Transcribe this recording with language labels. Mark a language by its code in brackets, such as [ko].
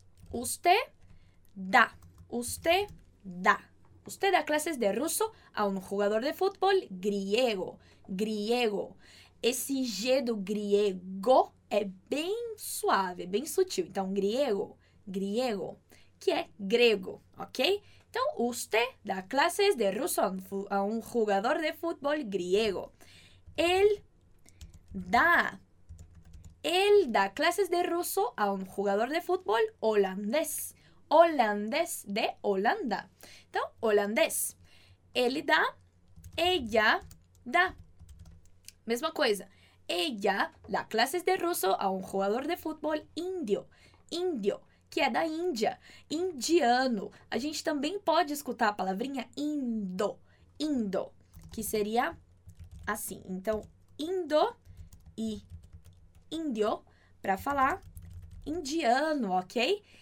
[es] Usted dá. [pt] Usted dá classes de russo a um jogador de futebol griego. Griego. Esse G do griego é bem suave, bem sutil. Então, griego. Griego. Que é grego, ok? [es] Entonces, usted da clases de ruso a un jugador de fútbol griego. Él da clases de ruso a un jugador de fútbol holandés. Holandés de Holanda. Entonces, holandés. Él da, ella da. Misma cosa. Ella da clases de ruso a un jugador de fútbol indio. [pt] Indio, que é da Índia, indiano. A gente também pode escutar a palavrinha indo, indo, que seria assim. Então, indo e índio para falar indiano, ok?